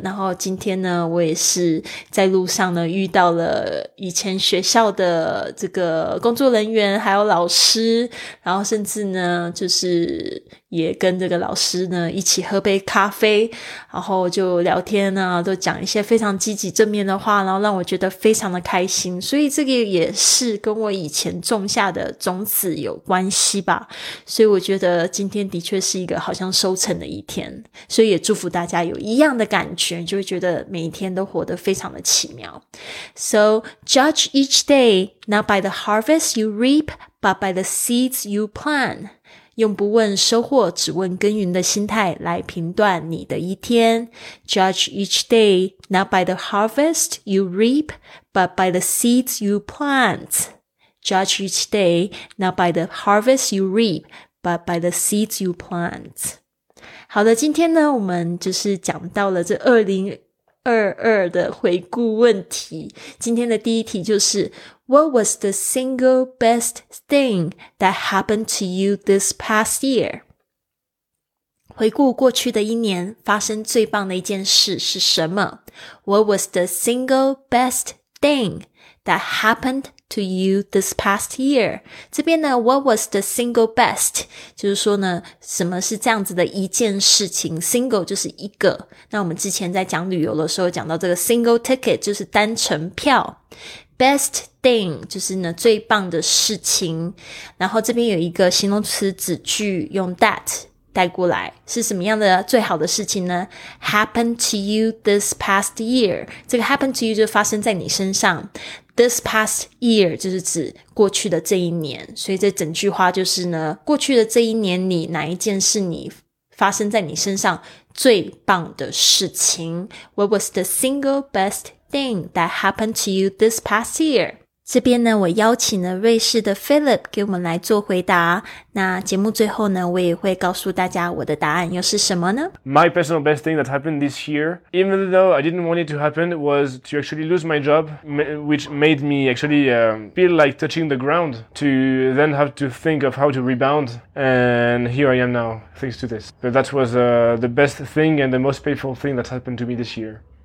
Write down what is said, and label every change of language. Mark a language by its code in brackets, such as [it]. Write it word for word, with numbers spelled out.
[zh] 然后今天呢，我也是在路上呢遇到了以前学校的这个工作人员还有老师，然后甚至呢就是也跟这个老师呢一起喝杯咖啡，然后就聊天呢，都讲一些非常积极正面的话，然后让我觉得非常的开心。所以这个也是跟我以前种下的种子有关系吧。所以我觉得今天的确是一个好像收成的一天，所以也祝福大家有一样的感觉，就会觉得每一天都活得非常的奇妙。 [en] So judge each day not by the harvest you reap but by the seeds you plant. [zh] 用不问收获，只问耕耘的心态来评断你的一天。 [en] Judge each day not by the harvest you reap, but by the seeds you plant. Judge each day not by the harvest you reap, but by the seeds you plant. [zh] 好的，今天呢，我们就是讲到了这二零二二的回顾问题。今天的第一题就是 [en] What was the single best thing that happened to you this past year? [zh] 回顾过去的一年，发生最棒的一件事是什么？ [en] What was the single best thing that happened to you this past year? [zh] 这边呢 [en] what was the single best? [zh] 就是说呢，什么是这样子的一件事情， single 就是一个。那我们之前在讲旅游的时候讲到这个 [en] single ticket [zh] 就是单程票。 [en] Best thing [zh] 就是呢最棒的事情，然后这边有一个形容词子句用 that 带过来，是什么样的最好的事情呢？ [en] Happen to you this past year， [zh] 这个 [en] happen to you [zh] 就发生在你身上， [en] this past year [zh] 就是指过去的这一年，所以这整句话就是呢，过去的这一年里哪一件是你发生在你身上最棒的事情？ [en] What was the single best thing that happened to you this past year? [zh] 这边呢，我邀请了瑞士的 Philip 给我们来做回答。那节目最后呢，我也会告诉大家我的答案又是什么呢？ [en] My personal best thing that happened this year, even though I didn't want it to happen, was to actually lose my job, which made me actually um, feel like touching the ground, to then have to think of how to rebound. And here I am now, thanks to this. But that was uh, the best thing and the most painful thing that happened to me this year.